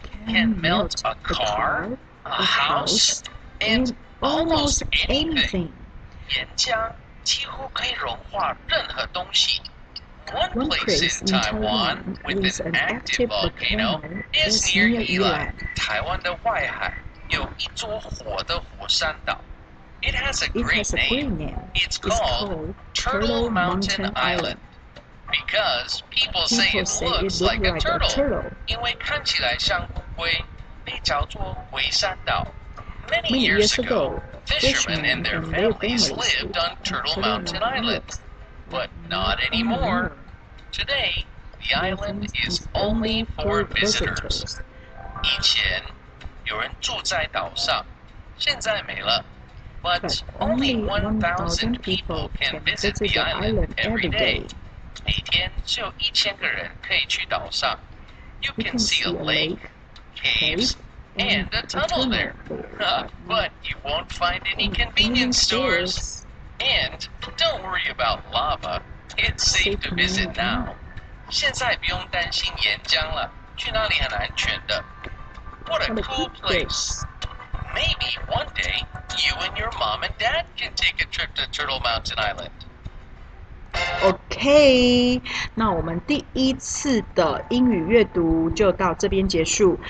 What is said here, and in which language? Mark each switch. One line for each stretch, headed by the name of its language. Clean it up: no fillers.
English: Can melt a car, a house, and almost anything.
Chinese: 岩浆几乎可以融化任何东西。
English: One place in Taiwan with an active volcano is near Yilan.
Chinese: 台湾的外海有一座火的火山岛。
English: It has a great name. It's called Turtle Mountain Island. Because people say it looks like a turtle.
Chinese: 因为看起来像乌龟，被叫做龟山岛。
English: Many years ago, fishermen and their families lived on Turtle Mountain Island. But not anymore. Today, the island is only for visitors.
Chinese: 以前有人住在岛上，现在没了。
English: But only 1,000 people can visit the island every day.
Chinese: 每天只有一千个人可以去岛上。
English: You can see a lake, caves, and a tunnel there. But you won't find any convenience stores. And don't worry about lava. It's safe to visit now.
Chinese: 现在不用担心岩浆了，去那里很安全的。
English: What a cool place. Maybe one day, you and your mom and dad can take a trip to Turtle Mountain Island.
Chinese: OK，那我们第一次的英语阅读就到这边结束。